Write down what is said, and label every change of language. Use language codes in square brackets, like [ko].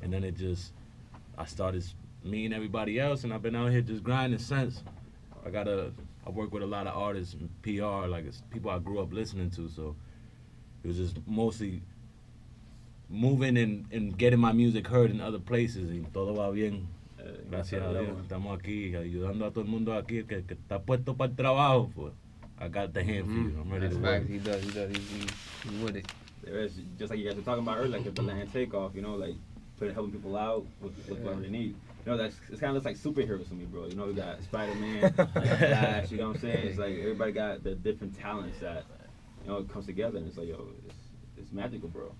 [en] And then I started me and everybody else, and I've been out here just grinding since. I work with a lot of artists and PR, like, it's people I grew up listening to, so it was just mostly moving and getting my music heard in other places. [es] Y todo va bien. Gracias a Dios. Estamos aquí, ayudando a todo el mundo aquí, que está puesto para el trabajo. [en] I got the hand for you. I'm ready to work. He's with it. There is, just like you guys were talking about earlier, like the land takeoff, you know, like, helping people out with what they need. You know, it's kind of looks like superheroes to me, bro. You know, we got Spider-Man, like Flash, you know what I'm saying? It's like everybody got the different talents that, you know, it comes together, and it's like, yo, it's magical, bro.